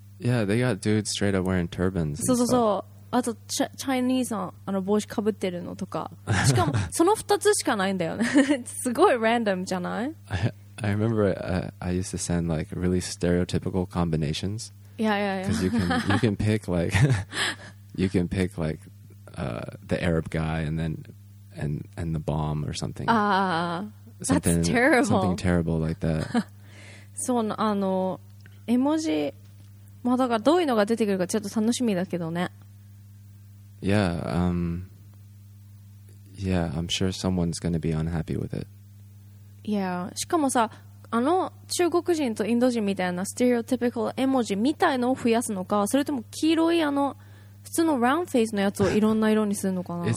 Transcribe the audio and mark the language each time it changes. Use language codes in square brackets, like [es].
[en] Yeah, they got dudes straight up wearing turbans. [ja] そうそうそう。あとチャイニーズのあの帽子かぶってるのとか。しかもその2つしかないんだよね。すごいランダムじゃない [en] ？I remember I used to send like really stereotypical combinations. Yeah, yeah, yeah. Because you can pick like you can pick like the Arab guy and then and the bomb or something. That's terrible. Something terrible like that. [ja] そうあの。絵文字、まあ、だからどういうのが出てくるかちょっと楽しみだけどね。 [en] Yeah, yeah, I'm sure someone's gonna be unhappy with it. Yeah, [ja] しかもさ、あの中国人とインド人みたいなstereotypical絵文字みたいのを増やすのか、それとも黄色いあの普通のround faceのやつをいろんな色にするのかな。